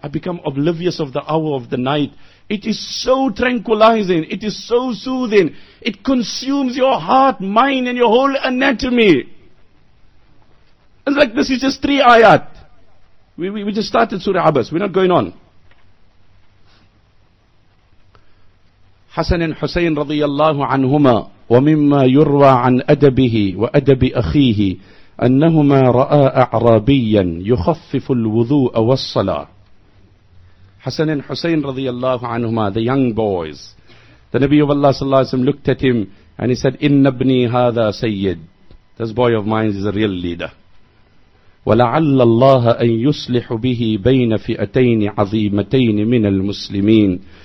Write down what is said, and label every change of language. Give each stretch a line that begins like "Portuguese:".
English: I become oblivious of the hour of the night. It is so tranquilizing. It is so soothing. It consumes your heart, mind, and your whole anatomy. It's like this is just three ayat. We just started Surah Abbas. We're not going on.
Arabic: Hassan and Hussein radiyallahu anhuma وَمِمَّا يُرْوَى عَنْ أَدَبِهِ وَأَدَبِ أَخِيهِ أَنَّهُمَا رَآ أَعْرَابِيًّا يُخَفِّفُ الْوُضُوءَ وَالصَّلَاةَ.
English: Hassan and Hussein radiyallahu anhuma, the young boys. The Nabi of Allah sallallahu alayhi wa sallam looked at him and he said,
Arabic: إِنَّ ابْنِي هَذَا سَيِّد.
English: This boy of mine is a real leader.
Arabic: وَلَعَلَّ اللَّهَ أَن يُصْلِحُ بِهِ بَيْنَ فِئَتَيْنِ عَظِيمَتَيْنِ مِنَ الْمُسْلِمِينَ.